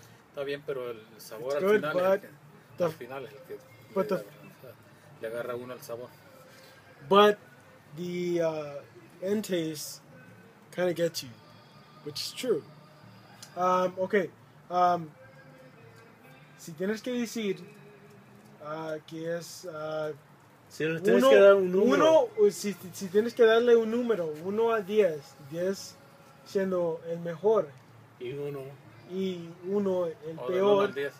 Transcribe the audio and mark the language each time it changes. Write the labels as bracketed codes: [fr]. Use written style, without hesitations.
[es] Está bien, pero el sabor good, al final... Al final es el que... [en] But [es] le agarra uno al sabor. [en] But the end taste kind of gets you, which is true. Okay. [es] Si tienes que decir que es... Si le tienes que dar un número. Si tienes que darle un número, 1 a 10, 10 siendo el mejor. Y 1. Y 1 el peor.